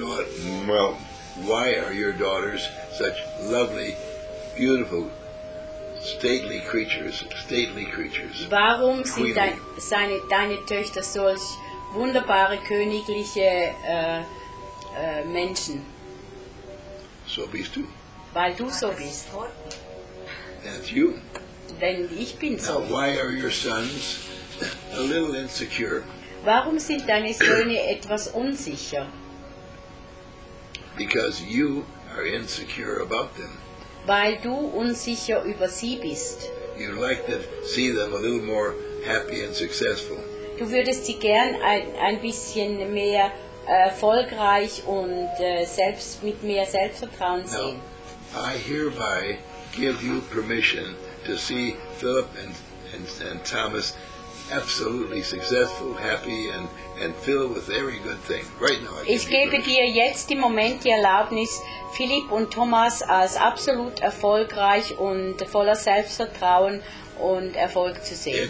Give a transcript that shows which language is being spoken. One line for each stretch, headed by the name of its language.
English: Why are your daughters such lovely, beautiful, stately creatures?
German: Warum sind deine Töchter solch wunderbare königliche Menschen? So bist du. Weil du so bist.
English: That's you.
German: Denn ich bin so.
English: Now, why are your sons a little insecure?
German: Warum sind deine Söhne etwas unsicher?
English: Because you are insecure about them.
German: Weil du unsicher über sie bist.
English: You like to see them a little more happy and successful.
German: Du würdest sie gern ein bisschen mehr erfolgreich und selbst mit mehr Selbstvertrauen sehen.
English: Now, I hereby give you permission to see Philip and Thomas absolutely successful, happy and filled with every good thing. Right now,
German: ich gebe dir jetzt im Moment die Erlaubnis, Philipp und Thomas als absolut erfolgreich und voller Selbstvertrauen und Erfolg zu sehen.